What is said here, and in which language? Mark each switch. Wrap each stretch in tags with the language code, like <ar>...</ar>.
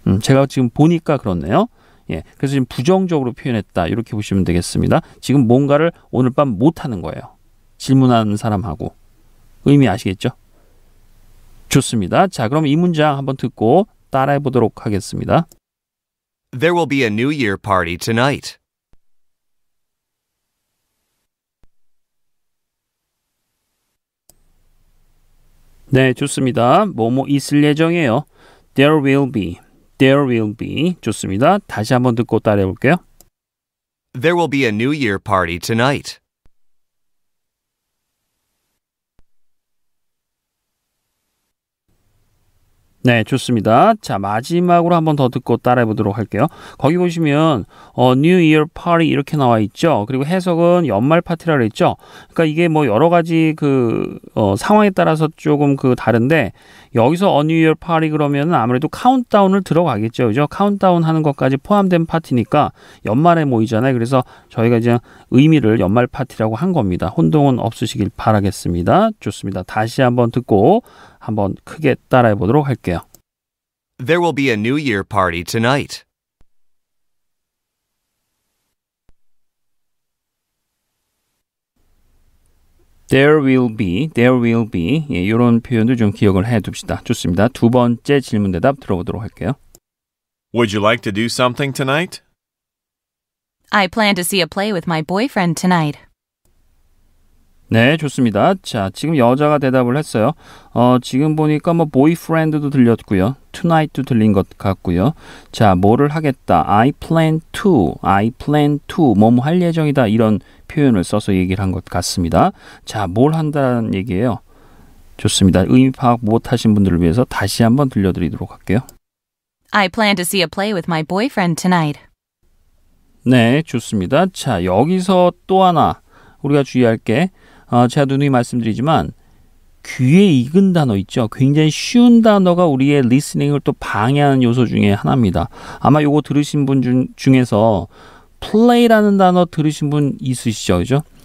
<ko>제가 지금 보니까 그렇네요. 예, 그래서 지금 부정적으로 표현했다 이렇게 보시면 되겠습니다. 지금 뭔가를 오늘 밤 못하는 거예요. 질문하는 사람하고. 의미 아시겠죠? 좋습니다. 자, 그럼 이 문장 한번 듣고 따라해 보도록 하겠습니다.</ko> <en>There will be a New Year party tonight. There will be.</en> <ko>네, 좋습니다. 뭐뭐 있을 예정이에요.</ko> <en>There will be. There will be.</en> <ko>좋습니다. 다시 한번 듣고 따라해 볼게요.</ko> <en>There will be a New Year party tonight.</en> <ko>네, 좋습니다. 자, 마지막으로 한 번 더 듣고 따라해 보도록 할게요. 거기 보시면 New Year Party 이렇게 나와 있죠. 그리고 해석은 연말 파티라고 했죠. 그러니까 이게 뭐 여러 가지 그 상황에 따라서 조금 그 다른데 여기서 New Year Party 그러면 아무래도 카운트다운을 들어가겠죠. 그죠? 카운트다운 하는 것까지 포함된 파티니까 연말에 모이잖아요. 그래서 저희가 이제 의미를 연말 파티라고 한 겁니다. 혼동은 없으시길 바라겠습니다. 좋습니다. 다시 한번 듣고 한번 크게 따라해 보도록 할게요.</ko> <en>There will be a New Year party tonight. There will be.</en> <ko>예, 이런 표현도 좀 기억을 해둡시다. 좋습니다. 두 번째 질문 대답 들어보도록 할게요.</ko> <en>Would you like to do something tonight? I plan to see a play with my boyfriend tonight.</en> <ko>네, 좋습니다. 자, 지금 여자가 대답을 했어요. 지금 보니까 뭐 boyfriend도 들렸고요. tonight도 들린 것 같고요. 자, 뭐를 하겠다.</ko> <en>I plan to.</en> <ko>뭐뭐 할 예정이다. 이런 표현을 써서 얘기를 한 것 같습니다. 자, 뭘 한다는 얘기예요. 좋습니다. 의미 파악 못 하신 분들을 위해서 다시 한번 들려드리도록 할게요.</ko> <en>I plan to see a play with my boyfriend tonight.</en> <ko>네, 좋습니다. 자, 여기서 또 하나 우리가 주의할 게 제가 누누이 말씀드리지만 귀에 익은 단어 있죠. 굉장히 쉬운 단어가 우리의 리스닝을 또 방해하는 요소 중에 하나입니다. 아마 이거 들으신 분 중에서 play라는 단어 들으신 분 있으시죠? 그죠?</ko>